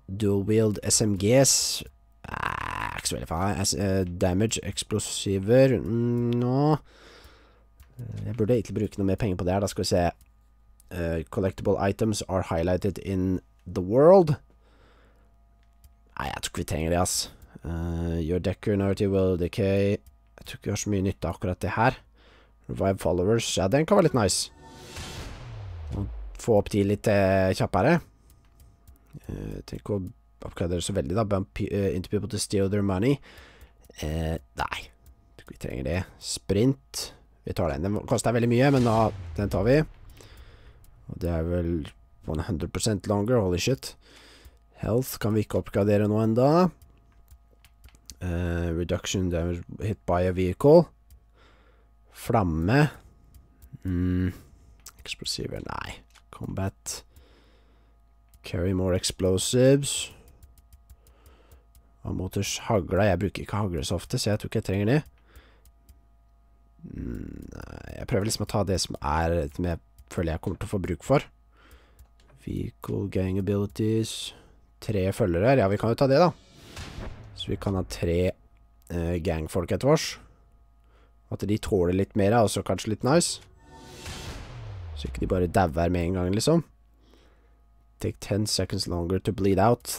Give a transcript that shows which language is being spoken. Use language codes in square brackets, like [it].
[en] Dual wield SMGs. [no] Ikke så veldig faen. Damage, eksplosiver. Nå. Jeg burde egentlig bruke noe mer penger på det her. Da skal vi se. [en] Collectible items are highlighted in the world. [no] Nei, jeg tror ikke vi trenger det, ass. [en] Your decker narrative will decay. [no] Jeg tror ikke vi har så mye nytte av akkurat det her. [en] Revive followers. [no] Ja, den kan være litt nice. Få opp de litt kjappere. Tenk å oppgradere det så veldig da. [en] Bump into people to steal their money. [no] Nei. Tror ikke vi trenger det. Sprint. Vi tar den. Den koster veldig mye, men da, den tar vi. Og det er vel 100% [en] longer, holy shit. [no] Health kan vi ikke oppgradere nå enda. [en] Reduction damage hit by a vehicle. [no] Flamme. Explosiver, nei. [en] Combat. Carry more explosives. [no] Amotors hagle. Jeg bruker ikke hagle så ofte, så jeg tror ikke jeg trenger det. Jeg prøver liksom å ta det som er det jeg føler jeg kommer til å få bruk for. [en] Vehicle gang abilities. [no] Tre følgere. Ja, vi kan jo ta det da. Så vi kan ha tre gangfolk etter oss. At de tåler litt mer, er også kanskje litt nice. Så ikke de bare dever med en gang, liksom. [en] Take 10 seconds longer to bleed out.